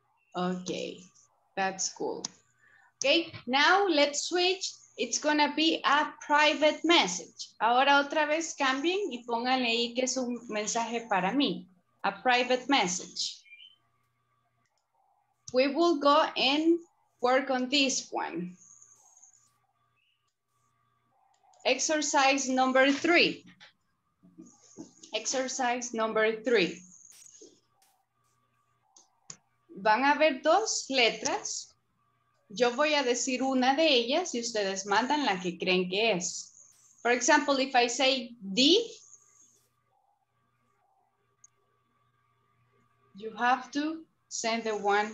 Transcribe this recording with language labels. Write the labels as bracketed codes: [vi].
[en] Okay, that's cool. Okay, now let's switch. It's gonna be a private message. [es] Ahora otra vez cambien y pónganle ahí que es un mensaje para mí. [en] A private message. We will go and work on this one. Exercise number three. Exercise number three. [es] Van a haber dos letras. Yo voy a decir una de ellas y ustedes mandan la que creen que es. [en] For example, if I say D, you have to send the one.